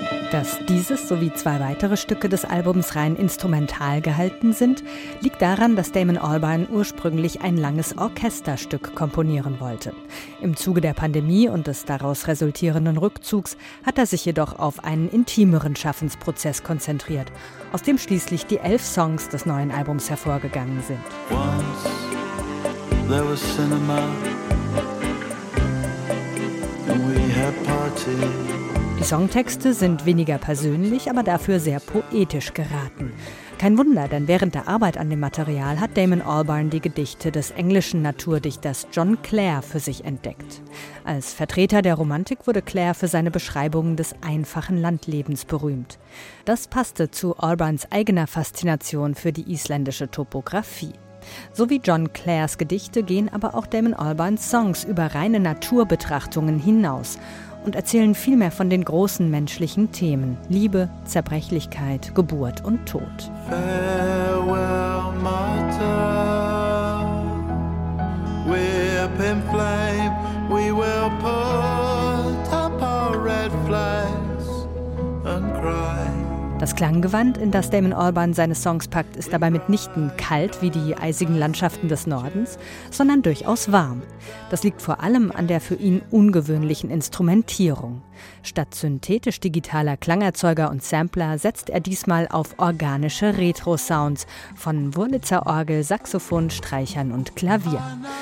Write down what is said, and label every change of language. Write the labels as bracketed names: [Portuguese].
[German] Dass dieses sowie zwei weitere Stücke des Albums rein instrumental gehalten sind, liegt daran, dass Damon Albarn ursprünglich ein langes Orchesterstück komponieren wollte. Im Zuge der Pandemie und des daraus resultierenden Rückzugs hat er sich jedoch auf einen intimeren Schaffensprozess konzentriert, aus dem schließlich die 11 Songs des neuen Albums hervorgegangen sind. [English] Once there was cinema and we had party. [German] Die Songtexte sind weniger persönlich, aber dafür sehr poetisch geraten. Kein Wunder, denn während der Arbeit an dem Material hat Damon Albarn die Gedichte des englischen Naturdichters John Clare für sich entdeckt. Als Vertreter der Romantik wurde Clare für seine Beschreibungen des einfachen Landlebens berühmt. Das passte zu Albarns eigener Faszination für die isländische Topografie. So wie John Clares Gedichte gehen aber auch Damon Albarns Songs über reine Naturbetrachtungen hinaus und erzählen vielmehr von den großen menschlichen Themen Liebe, Zerbrechlichkeit, Geburt und Tod. [English] Farewell, Martha. We're pimp flame. We will put up our red flags and cry. [German] Das Klanggewand, in das Damon Albarn seine Songs packt, ist dabei mitnichten kalt wie die eisigen Landschaften des Nordens, sondern durchaus warm. Das liegt vor allem an der für ihn ungewöhnlichen Instrumentierung. Statt synthetisch-digitaler Klangerzeuger und Sampler setzt er diesmal auf organische Retro-Sounds von Wurlitzer Orgel, Saxophon, Streichern und Klavier.